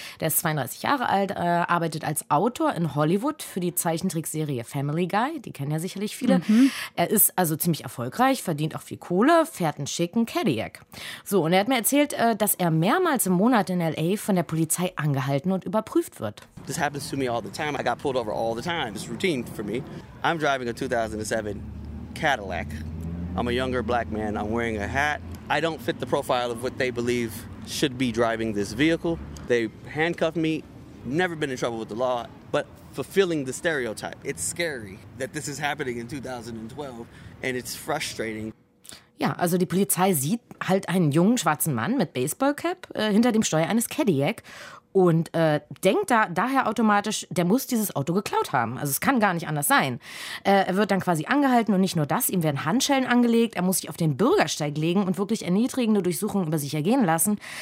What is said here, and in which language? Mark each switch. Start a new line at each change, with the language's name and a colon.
German: Der ist 32 Jahre alt, arbeitet als Autor in Hollywood für die Zeichentrickserie Family Guy. Die kennen ja sicherlich viele. Mhm. Er ist also ziemlich erfolgreich, verdient auch viel Kohle, fährt einen schicken Cadillac. So, und er hat mir erzählt, dass er mehrmals im Monat in L.A. von der Polizei angehalten und überprüft wird.
English: This happens to me all the time. I got pulled over all the time. It's routine for me. I'm driving a 2007 Cadillac. I'm a younger black man. I'm wearing a hat. I don't fit the profile of what they believe should be driving this vehicle. They handcuffed me. Never been in trouble with the law, but fulfilling the stereotype. It's scary that this is happening in 2012, and it's frustrating.
German: Ja, also die Polizei sieht halt einen jungen schwarzen Mann mit Baseballcap hinter dem Steuer eines Cadillac. Und denkt da daher automatisch, der muss dieses Auto geklaut haben. Also es kann gar nicht anders sein. Er wird dann quasi angehalten und nicht nur das, ihm werden Handschellen angelegt, er muss sich auf den Bürgersteig legen und wirklich erniedrigende Durchsuchungen über sich ergehen lassen.